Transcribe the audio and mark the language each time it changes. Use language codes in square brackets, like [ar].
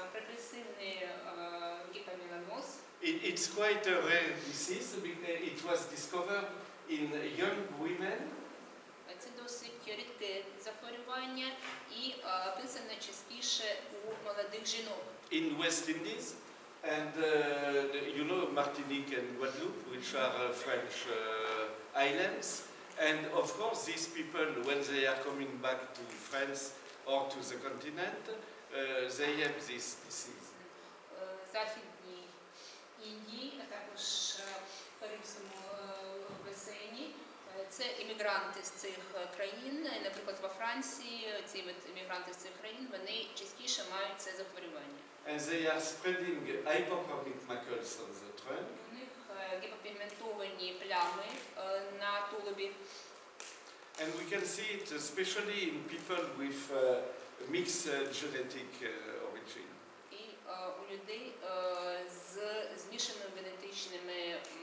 [uk] Прогресивний гіпомеланоз. [en] It's quite a rare disease because it was discovered in young women. [uk] Це досить рідке захворювання і описане частіше у молодих жінок. [en] In West Indies, and you know Martinique and Guadeloupe, which are French islands, and of course these people, when they are coming back to France or to the continent, they have this disease. [uk] Західній Індії, а також Карибському басейні, це іммігранти з цих країн, наприклад, во Франції, ці іммігранти з цих країн, вони частіше мають це захворювання. [en] And they are spreading hypochromic macules on the trunk. [uk] У них гіпопігментовані плями на тулубі. [en] And we can see it especially in people with mixed genetic origin. [uk] І у людей з змішаними генетичними